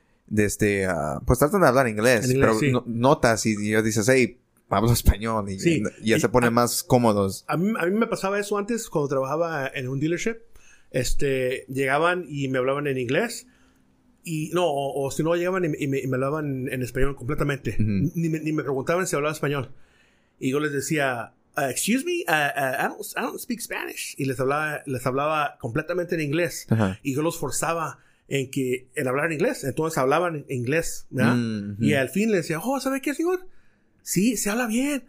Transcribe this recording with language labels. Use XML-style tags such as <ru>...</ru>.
<es>desde, pues tratan de hablar inglés, en inglés pero sí. notas y yo dices, hey, hablo español y, sí. y se ponen más cómodos. A mí me pasaba eso antes cuando trabajaba en un dealership. Llegaban y me hablaban en inglés. Y no, o si no, llegaban y me hablaban en español completamente. Uh-huh. Ni me preguntaban si hablaba español. Y yo les decía,</es> <en>excuse me, I don't speak Spanish.</en> <es>Y les hablaba completamente en inglés. Uh-huh. Y yo los forzaba en hablar en inglés. Entonces hablaban en inglés, ¿verdad? Uh-huh. Y al fin les decía, oh, ¿sabe qué, señor? Sí, se habla bien.</es>